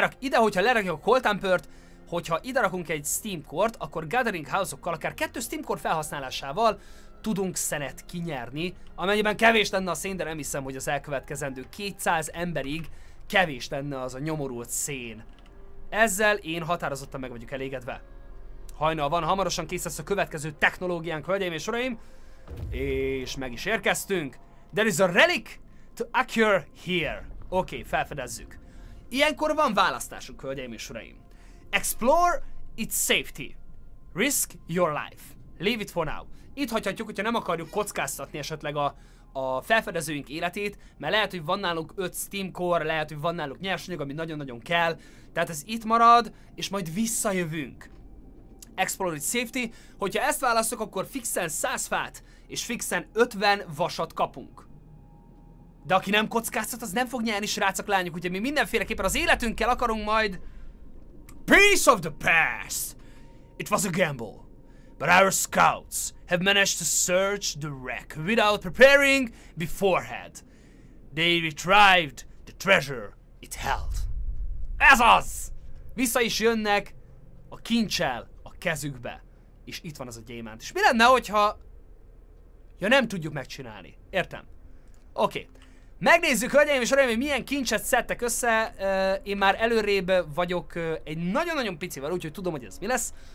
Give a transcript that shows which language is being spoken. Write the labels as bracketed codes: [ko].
[hu] Hogyha lerakjuk a koltánpört, hogyha ide rakunk egy steam core-t, akkor gathering house-okkal, akár kettő steam core felhasználásával tudunk szenet kinyerni. Amennyiben kevés lenne a szén, de nem hiszem, hogy az elkövetkezendő 200 emberig kevés lenne az a nyomorult szén. Ezzel én határozottan meg vagyok elégedve. Hajnal van, hamarosan kész lesz a következő technológiánk, hölgyeim és uraim. És meg is érkeztünk. [en] There is a relic to occur here. [hu] Oké, felfedezzük. Ilyenkor van választásunk, hölgyeim és uraim. [en] Explore its safety. Risk your life. Leave it for now. [hu] Itt hagyhatjuk, hogyha nem akarjuk kockáztatni esetleg a felfedezőink életét, mert lehet, hogy van nálunk 5 steam core, lehet, hogy van nálunk nyersanyag, ami nagyon-nagyon kell. Tehát ez itt marad, és majd visszajövünk. [en] Explore its safety, [hu] hogyha ezt választok, akkor fixen 100 fát és fixen 50 vasat kapunk. De aki nem kockáztat, az nem fog nyerni, srácok, lányok, ugye mi mindenféleképpen az életünkkel akarunk majd... [en] Piece of the past! It was a gamble, but our scouts have managed to search the wreck without preparing beforehand. They retrieved the treasure it held. [hu] Ez az! Vissza is jönnek a kincsel kezükbe. És itt van az a gyémánt. És mi lenne, hogyha... Ja, nem tudjuk megcsinálni. Értem. Oké. Megnézzük, hölgyeim és uraim, hogy milyen kincset szedtek össze. Én már előrébb vagyok egy nagyon-nagyon picivel, úgyhogy tudom, hogy ez mi lesz.